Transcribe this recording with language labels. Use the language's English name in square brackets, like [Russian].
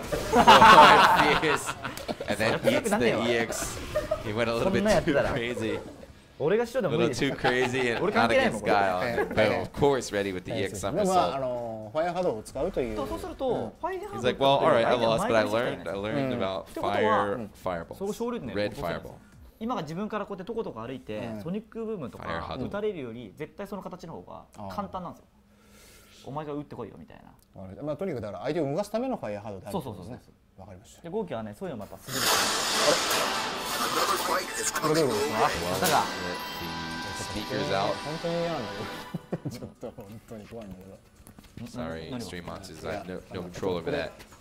[English] Forward fierce. And then eats the EX. He went a little bit too crazy. A little too crazy and not against Guile. But of course, ready with the EX somersault. He's like, well, alright, I lost, but I learned. I learned about fireballs. Red fireball. [Japanese] 今が自分からこうやってとことこ歩いて、ソニックブームとか打たれるより絶対その形の方が簡単なんですよ。お前が打ってこいよみたいな。まあとにかくだから相手を動かすためのファイアハードである。そうそうそうそう。わかりました。で、ゴーキはね、そういうのもやっぱ滑る。あれ？これどういうことですか？あ、またが。スピーカーズアウト。本当に嫌なんだけど。ちょっと本当に怖いんだけど。 [English] Sorry, Stream Monsters, I have no control over that.